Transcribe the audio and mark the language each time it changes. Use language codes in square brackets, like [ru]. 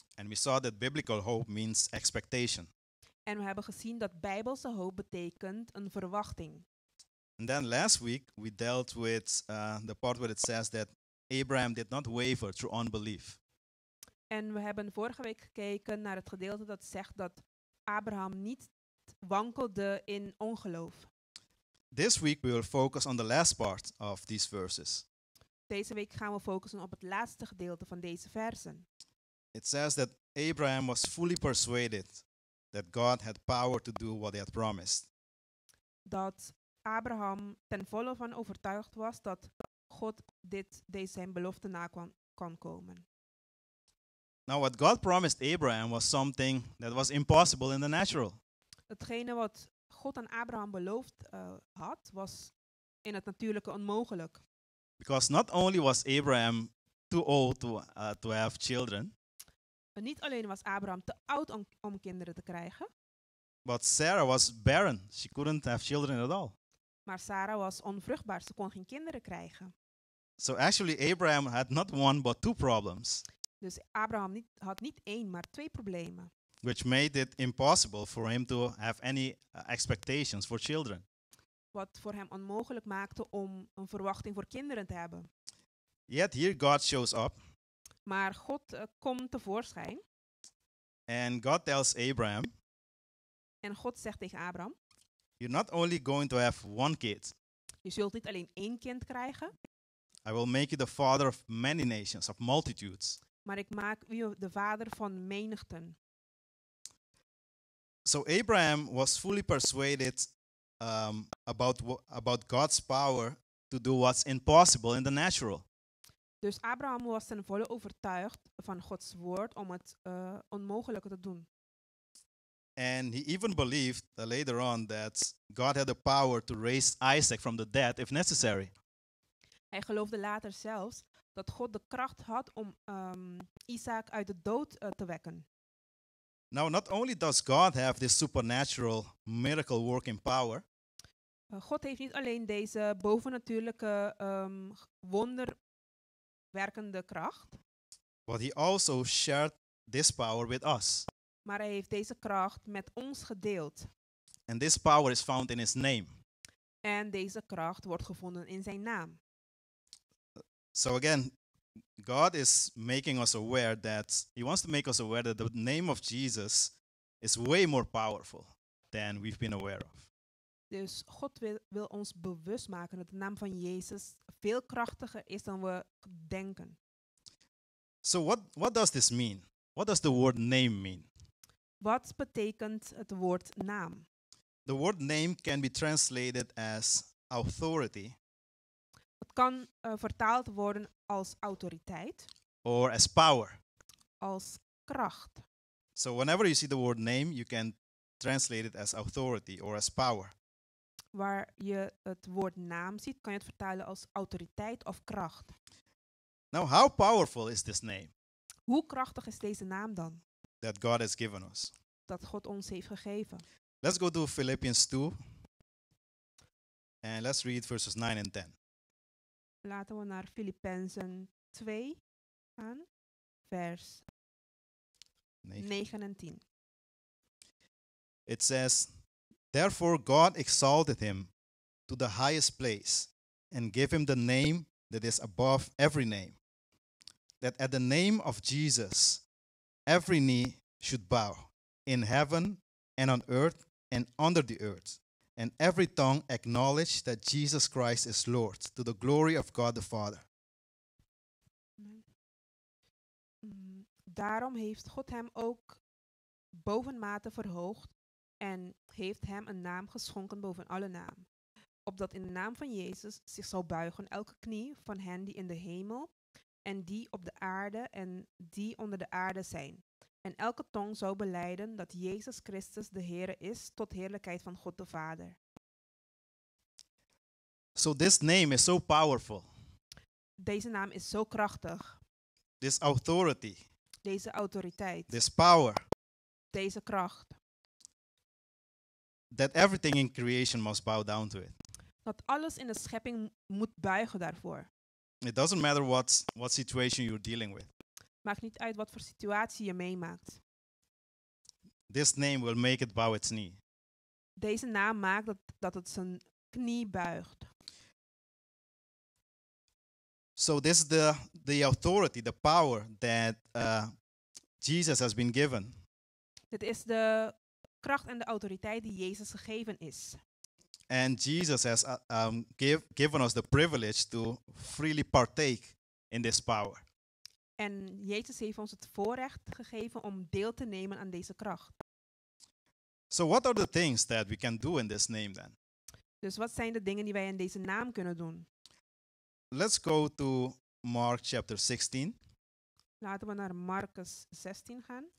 [en] And we saw that biblical hope means expectation. [nl] En we hebben gezien dat Bijbelse hoop betekent een verwachting. [en] And then last week we dealt with the part where it says that Abraham did not waver through unbelief. [nl] En we hebben vorige week gekeken naar het gedeelte dat zegt dat Abraham niet wankelde in ongeloof. [en] This week we will focus on the last part of these verses. [nl] Deze week gaan we focussen op het laatste gedeelte van deze versen. [en] It says that Abraham was fully persuaded that God had power to do what he had promised. [nl] Dat Abraham ten volle van overtuigd was dat God deze zijn belofte kan komen. [en] Now what God promised Abraham was something that was impossible in the natural. [nl] Hetgene wat God aan Abraham beloofd had, was in het natuurlijke onmogelijk. [en] Because not only was Abraham too old to have children. [nl] Niet alleen was Abraham te oud om kinderen te krijgen. [en] But Sarah was barren. She couldn't have children at all. [nl] Maar Sarah was onvruchtbaar. Ze kon geen kinderen krijgen. [en] So actually Abraham had not one but two problems. [nl] Dus Abraham had niet één, maar twee problemen. [en] Which made it impossible for him to have any expectations for children. [nl] Wat voor hem onmogelijk maakte om een verwachting voor kinderen te hebben. [en] Yet here God shows up. [nl] Maar God komt tevoorschijn. [en] And God tells Abraham. [nl] En God zegt tegen Abraham. [en] You're not only going to have one kid. [nl] Je zult niet alleen één kind krijgen. [en] I will make you the father of many nations, of multitudes. [nl] Maar ik maak u de vader van menigten. [en] So Abraham was fully persuaded about God's power to do what's impossible in the natural. [nl] Dus Abraham was ten volle overtuigd van Gods woord om het onmogelijke te doen. [en] And he even believed later on that God had the power to raise Isaac from the dead if necessary. [nl] Hij geloofde later zelfs dat God de kracht had om Isaac uit de dood te wekken. [en] Now, not only does God have this supernatural miracle working power. [nl] God heeft niet alleen deze bovennatuurlijke wonderwerkende kracht. [en] But he also shared this power with us. [nl] Maar hij heeft deze kracht met ons gedeeld. [en] And this power is found in his name. [nl] En deze kracht wordt gevonden in zijn naam. [en] So again, God is making us aware that he wants to make us aware that the name of Jesus is way more powerful than we've been aware of. [nl] Dus God wil ons bewust maken dat de naam van Jezus veel krachtiger is dan we denken. [en] So what does this mean? What does the word name mean? [nl] Wat betekent het woord naam? [en] The word name can be translated as authority. [nl] Het kan vertaald worden als autoriteit. [en] Or as power. [nl] Als kracht. [en] So whenever you see the word name, you can translate it as authority or as power. [nl] Waar je het woord naam ziet, kan je het vertalen als autoriteit of kracht. [en] Now, how powerful is this name? [nl] Hoe krachtig is deze naam dan? [en] That God has given us. [nl] Dat God ons heeft gegeven. [en] Let's go to Philippians 2. And let's read verses 9 and 10. [nl] Laten we naar Filippenzen 2 gaan. Vers 9 en 10. [en] It says, therefore God exalted him to the highest place and gave him the name that is above every name. That at the name of Jesus, every knee should bow in heaven and on earth and under the earth. And every tongue acknowledge that Jesus Christ is Lord to the glory of God the Father. [nl] Daarom heeft God hem ook bovenmate verhoogd en heeft hem een naam geschonken boven alle naam. Opdat in de naam van Jezus zich zal buigen elke knie van hen die in de hemel en die op de aarde en die onder de aarde zijn. En elke tong zou belijden dat Jezus Christus de Heere is tot heerlijkheid van God de Vader. [en] So this name is so powerful. [nl] Deze naam is zo krachtig. [en] This authority. [nl] Deze autoriteit. [en] This power. [nl] Deze kracht. [en] That everything in creation must bow down to it. [nl] Dat alles in de schepping moet buigen daarvoor. [en] It doesn't matter what situation you're dealing with. [nl] Maakt niet uit wat voor situatie je meemaakt. [en] This name will make it bow its knee. [nl] Deze naam maakt dat het zijn knie buigt. [en] So this is the authority, the power that Jesus has been given. [nl] Dit is de kracht en de autoriteit die Jezus gegeven is. [en] And Jesus has given us the privilege to freely partake in this power. [nl] En Jezus heeft ons het voorrecht gegeven om deel te nemen aan deze kracht. [en] So what are the things that we can do in this name then? [nl] Dus wat zijn de dingen die wij in deze naam kunnen doen? [en] Let's go to Mark chapter 16. [nl] Laten we naar Marcus 16 gaan.